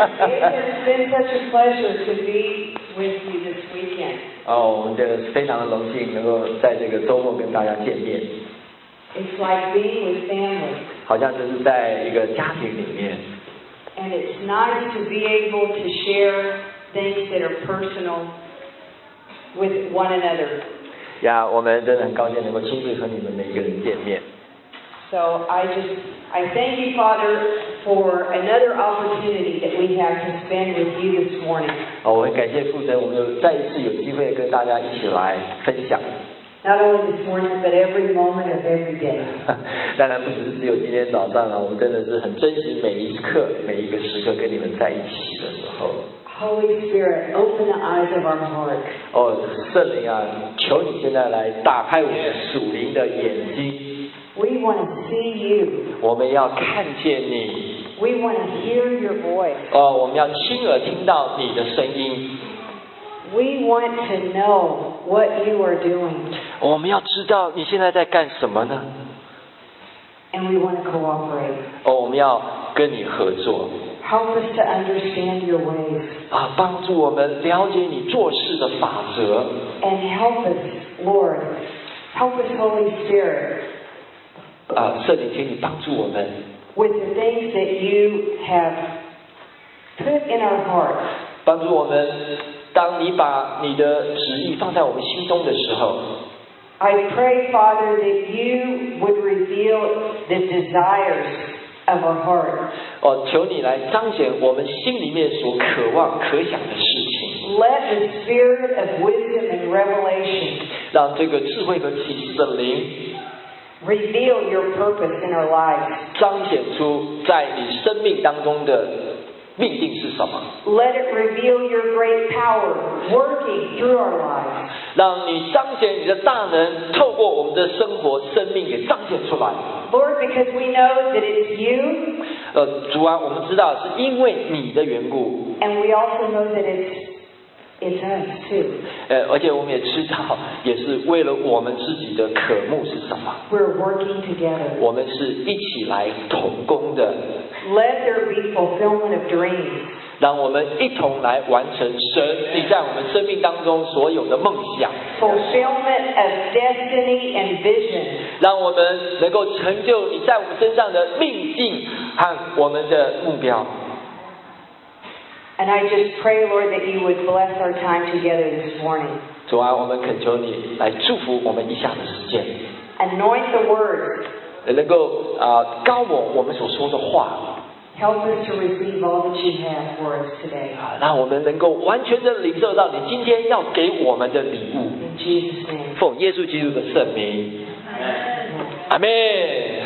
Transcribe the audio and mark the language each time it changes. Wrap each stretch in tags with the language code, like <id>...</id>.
<en>It has been such a pleasure to be with you this weekend.</en> <zh>哦，我们真的非常的荣幸能够在这个周末跟大家见面。</zh> <en>It's like being with family.</en> <zh>好像就是在一个家庭里面。</zh> <en>And it's nice to be able to share things that are personal with one another.</en> <zh>Yeah, 我们真的很高兴能够亲自和你们每一个人见面。</zh> <en>So I thank you, Father, for another opportunity that we have to spend with you this morning.</en> <zh>哦，我很感谢父神，我们又再一次有机会跟大家一起来分享。</zh> <en>Not only this morning, but every moment of every day.</en> <zh>当然不只是只有今天早上了，我们真的是很珍惜每一刻、每一个时刻跟你们在一起的时候。</zh> <en>Holy Spirit, open the eyes of our heart.</en> <zh>哦，圣灵啊，求你现在来打开我们属灵的眼睛。</zh> <en>We want to see you.</en> <zh>我们要看见你。</zh> <en>We want to hear your voice.</en> <zh>哦，我们要亲耳听到你的声音。</zh> <en>We want to know what you are doing.</en> <zh>我们要知道你现在在干什么呢？</zh> <en>And we want to cooperate.</en> <zh>哦，我们要跟你合作。</zh> <en>Help us to understand your ways.</en> <zh>啊，帮助我们了解你做事的法则。</zh> <en>And help us, Lord. Help us, Holy Spirit.</en> <zh>啊，圣灵，请你帮助我们。</zh> <en>With the things that you have put in our hearts.</en> <zh>帮助我们。当你把你的旨意放在我们心中的时候</zh> <en>，I pray, Father, that you would reveal the desires of our heart.</en> <zh>哦，求你来彰显我们心里面所渴望、可想的事情。</zh> <en>Let the spirit of wisdom and revelation.</en> <zh>让这个智慧和启示的灵</zh> <en>reveal your purpose in our lives.</en> <zh>彰显出在你生命当中的。命定是什么？</zh> <en>Let it reveal your great power working through our lives.</en> <zh>让你彰显你的大能，透过我们的生活、生命也彰显出来。</zh> <en>Lord, because we know that it's you.</en> <zh>主啊，我们知道是因为你的缘故。</zh> <en>And we also know that it's us too.</en> <zh>而且我们也知道，也是为了我们自己的渴慕是什么。</zh> <en>We're working together.</en> <zh>我们是一起来同工的。</zh> <en>Let there be fulfillment of dreams.</en> <zh>让我们一同来完成神你在我们生命当中所有的梦想。</zh> <en>Fulfillment of destiny and vision.</en> <zh>让我们能够成就你在我们身上的命定和我们的目标。</zh> <en>And I just pray, Lord, that you would bless our time together this morning.</en> <zh>主啊，我们恳求你来祝福我们以下的时间。</zh> <en>Anoint the word.</en> <zh>能够高我我们所说的话</zh> <en>Help us to receive all that you have for us today.</en> <zh>让我们能够完全的领受到你今天要给我们的礼物</zh> <en>In Jesus' name.</en> <zh>奉耶稣基督的圣名 Amen.</zh>